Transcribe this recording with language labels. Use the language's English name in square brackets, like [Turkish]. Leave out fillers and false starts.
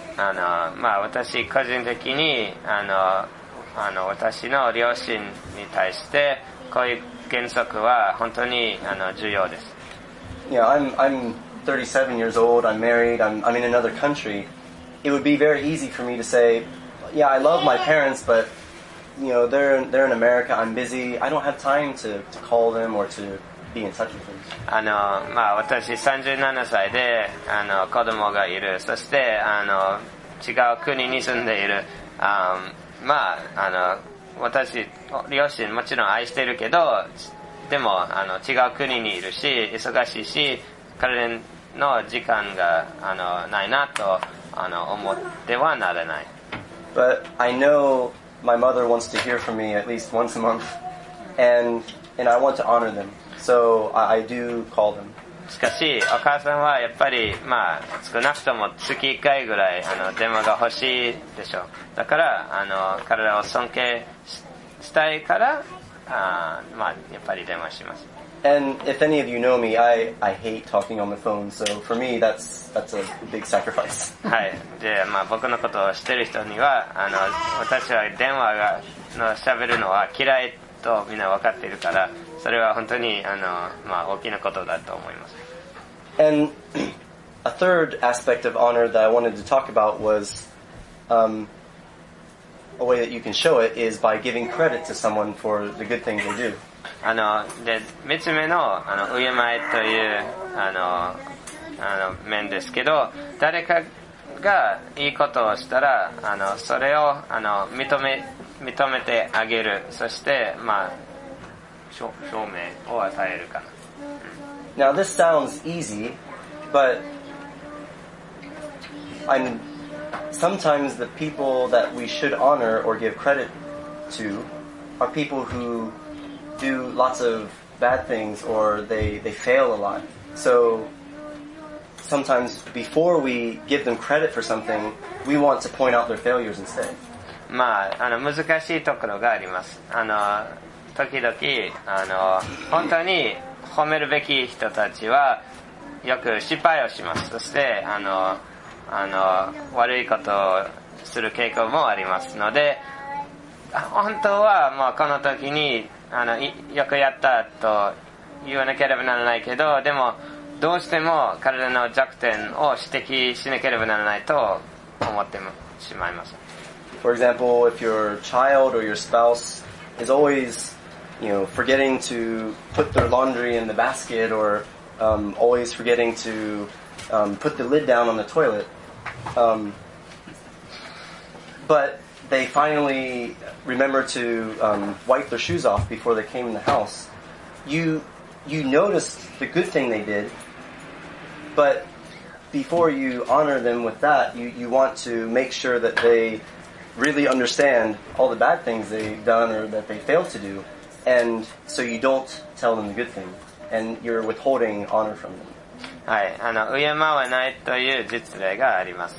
[Japanese] あの、まあ、私個人的にあの私の両親に対してこういう原則は本当にあの重要です。 [English] Yeah, I'm 37 years old. I'm married. I'm in another country. It would be very easy for me to say, yeah, I love my parents, but you know they're in America. I'm busy. I don't have time to call them or to be in touch with them. [Japanese] あのまあ私37歳であの子供がいる。そしてあの違う国に住んでいる。まああの私両親もちろん愛してるけど、でもあの違う国にいるし忙しいし彼の時間があのないなとあの思ってはならない。 [English] But I know my mother wants to hear from me at least once a month, and I want to honor them, so I do call them. [Japanese] しかしお母さんはやっぱりまあ少なくとも月1回ぐらいあの電話が欲しいでしょう。だからあの彼らを尊敬したいから。まあ、やっぱり電話します。 [English] And if any of you know me, I hate talking on the phone, so for me that's a big sacrifice. [Japanese] はい。で、まあ僕のことを知ってる人には、あの、私は電話が、の喋るのは嫌いとみんな分かっているから、それは本当に、あの、まあ大きなことだと思います。 [English] And a third aspect of honor that I wanted to talk about was, a way that you can show it is by giving credit to someone for the good things they do. [Japanese] あの、で、三つ目の、あの、敬いという、あの、面ですけど、誰かがいいことをしたら、あの、それを、あの、認めてあげる。そして、まあ、証明を与えるかな。 [English] Now this sounds easy, but Sometimes the people that we should honor or give credit to are people who do lots of bad things or they fail a lot. So sometimes before we give them credit for something, we want to point out their failures instead. [Japanese] まあ、あの、難しいところがあります。あの、時々、あの、本当に褒めるべき人たちはよく失敗をします。そして、あの、あの悪いことをする傾向もありますので、本当はもうこの時にあのよくやったと言わなければならないけど、でもどうしても彼らの弱点を指摘しなければならないと思ってしまいます。 [English] For example, if your child or your spouse is always, you know, forgetting to put their laundry in the basket or always forgetting toput the lid down on the toilet, but they finally remember to wipe their shoes off before they came in the house. You noticed the good thing they did, but before you honor them with that, you want to make sure that they really understand all the bad things they've done or that they failed to do, and so you don't tell them the good thing, and you're withholding honor from them. [Japanese] はい、あの、敬わないという実例があります。